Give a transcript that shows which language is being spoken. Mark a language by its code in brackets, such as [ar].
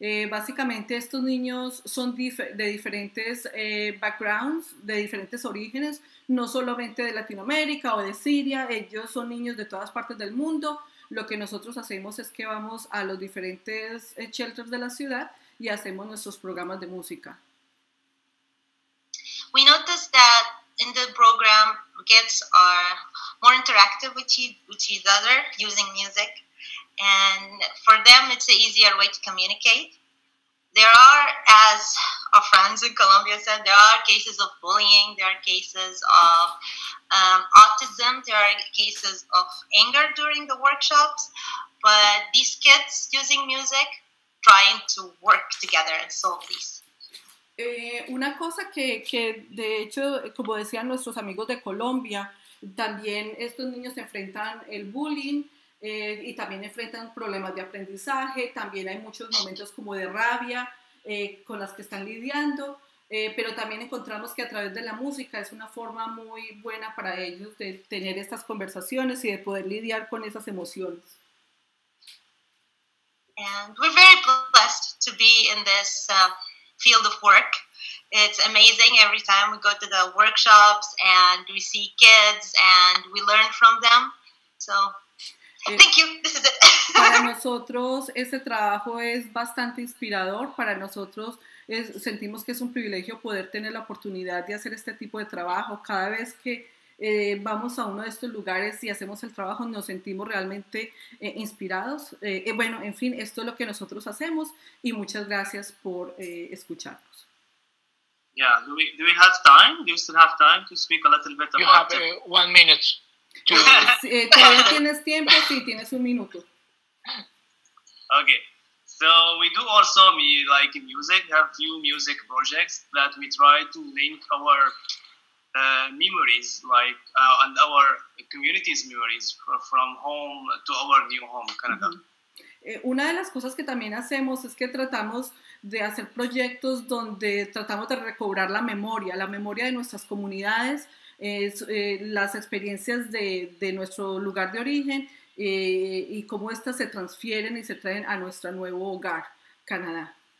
[es] Básicamente estos niños son de diferentes backgrounds, de diferentes orígenes, no solamente de Latinoamérica o de Siria. Ellos son niños de todas partes del mundo. Lo que nosotros hacemos es que vamos a los diferentes shelters de la ciudad y hacemos nuestros programas de música. [en] We noticed that in the program, kids are more interactive with each other using music, and for them it's an easier way to communicate. There are, as our friends in Colombia said, there are cases of bullying, there are cases of autism, there are cases of anger during the workshops, but these kids using music, trying to work together and solve these. Una cosa que de hecho, como decían nuestros amigos de Colombia, también estos niños se enfrentan el bullying, y también enfrentan problemas de aprendizaje, también hay muchos momentos como de rabia con las que están lidiando, pero también encontramos que a través de la música es una forma muy buena para ellos de tener estas conversaciones y de poder lidiar con esas emociones. And we're very blessed to be in this field of work. It's amazing every time we go to the workshops and we see kids and we learn from them. So thank you. This is it. [es] Para nosotros ese trabajo es bastante inspirador. Para nosotros sentimos que es un privilegio poder tener la oportunidad de hacer este tipo de trabajo. Cada vez que vamos a uno de estos lugares y hacemos el trabajo, nos sentimos realmente inspirados. Bueno, en fin, esto es lo que nosotros hacemos y muchas gracias por escucharnos. [en] Yeah, do we have time? Do you still have time to speak a little bit about it? You have 1 minute. [es] ¿Todavía tienes tiempo? Sí, tienes 1 minuto. [en] Okay. So we do also, we like music, have few music projects that we try to link our memories, like and our community's memories from home to our new home, Canada. Mm-hmm. [es] Una de las cosas que también hacemos es que tratamos de hacer proyectos donde tratamos de recobrar la memoria de nuestras comunidades, las experiencias de nuestro lugar de origen y cómo estas se transfieren y se traen a nuestro nuevo hogar, Canadá.